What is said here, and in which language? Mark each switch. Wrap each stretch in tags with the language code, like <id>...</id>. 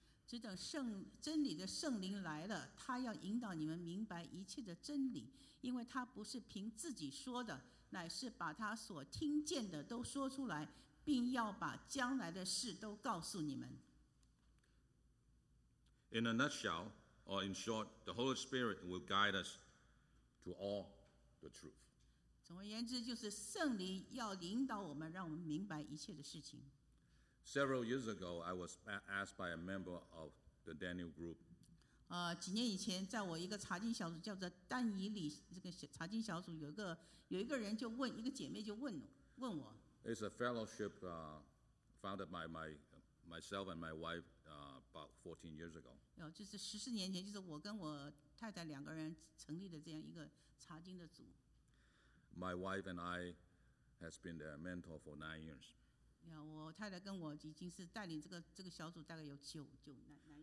<zh>只等真理的圣灵来了，他要引导你们明白一切的真理，因为他不是凭自己说的，乃是把他所听见的都说出来，并要把将来的事都告诉你们。</zh> <en>In a nutshell, or in short, the Holy Spirit will guide us to all the truth.</en> <zh>总而言之，就是圣灵要领导我们，让我们明白一切的事情。</zh> <en>Several years ago, I was asked by a member of the Daniel Group.</en> <zh>几年以前，在我一个查经小组叫做丹以理这个查经小组，有一个人就问，一个姐妹就问我。</zh> <en>It's a fellowship founded by myself and my wife about 14 years ago.</en> <zh>就是十四年前，就是我跟我太太两个人成立的这样一个查经的组。</zh> <en>My wife and I has been their mentor for 9 years.</en> <zh>我太太跟我已经是带领这个小组大概有九年了。</zh>